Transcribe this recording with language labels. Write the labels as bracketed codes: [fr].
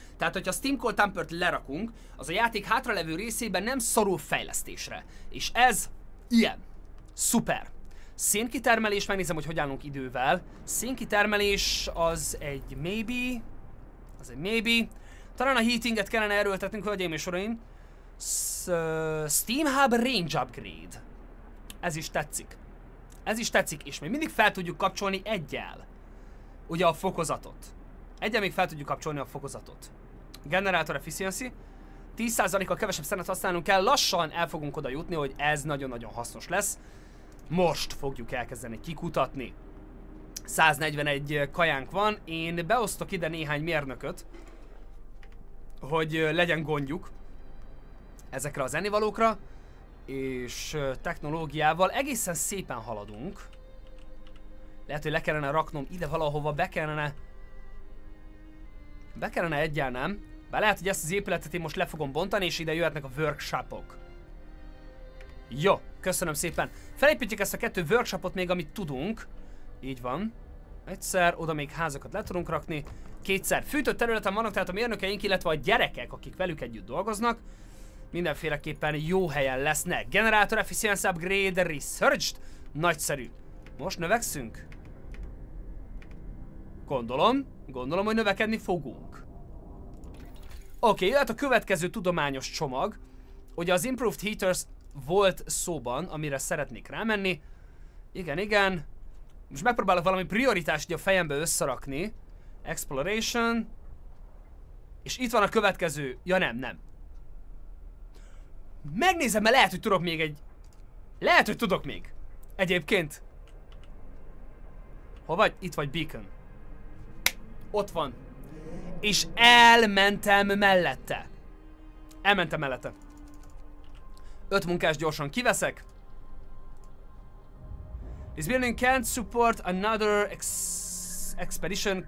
[hu] Tehát, hogyha a Steam Cold Tampert lerakunk, az a játék hátralevő részében nem szorul fejlesztésre. És ez ilyen. Szuper. Szénkitermelés, megnézem, hogy hogy állunk idővel. Szénkitermelés az egy maybe. Az egy maybe. Talán a heatinget kellene erőltetnünk, hölgyeim és uraim. [en] Steam Hub Range Upgrade. [hu] Ez is tetszik. Ez is tetszik, és még mindig fel tudjuk kapcsolni egyel. Ugye a fokozatot. Egyel még fel tudjuk kapcsolni a fokozatot. Generator efficiency. 10%-kal kevesebb szenet használnunk kell. Lassan el fogunk oda jutni, hogy ez nagyon-nagyon hasznos lesz. Most fogjuk elkezdeni kikutatni. 141 kajánk van. Én beosztok ide néhány mérnököt, hogy legyen gondjuk ezekre az ennivalókra. És technológiával egészen szépen haladunk. Lehet, hogy le kellene raknom ide valahova, be kellene egyel nem. Bár lehet, hogy ezt az épületet én most le fogom bontani, és ide jöhetnek a workshopok. Jó, köszönöm szépen. Felépítjük ezt a kettő workshopot még, amit tudunk. Így van. Egyszer, oda még házakat le tudunk rakni. Kétszer. Fűtött területen vannak tehát a mérnökeink, illetve a gyerekek, akik velük együtt dolgoznak. Mindenféleképpen jó helyen lesznek. [en] Generator Efficiency Upgrade Researched. [hu] Nagyszerű. Most növekszünk? Gondolom, hogy növekedni fogunk. Oké, jöhet a következő tudományos csomag. Ugye az Improved Heaters volt szóban, amire szeretnék rámenni. Igen. Most megpróbálok valami prioritást a fejembe összerakni. Exploration. És itt van a következő. Ja nem. Megnézem, mert lehet, hogy tudok még egy... Lehet, hogy tudok még. Egyébként. Hol vagy? Itt vagy, Beacon. Ott van. És elmentem mellette. Öt munkás gyorsan kiveszek. [en] This building can't support another expedition.